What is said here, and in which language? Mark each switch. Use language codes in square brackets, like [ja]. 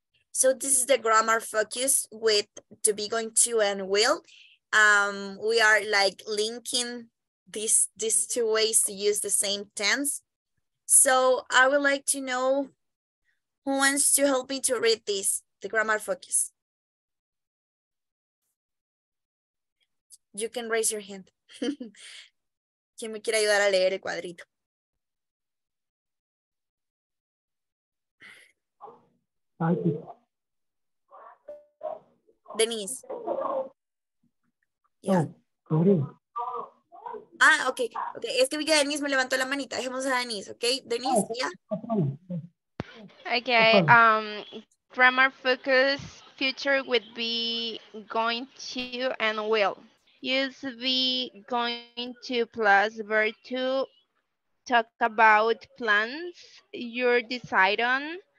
[en] So this is the grammar focus with to be going to and will. We are like linking these two ways to use the same tense. So I would like to know who wants to help me to read this, the grammar focus. you can raise your hand. [es] ¿Quién me quiere ayudar a leer el cuadrito? [en] Denise. Yeah. [es] Ah, okay. Okay, es que vi que Denise me levantó la manita. Dejemos a Denise, okay? Denise, ya. [en] Yeah. Okay, grammar focus future would be going to and will. Use the going to plus verb to talk about plans you're decide on.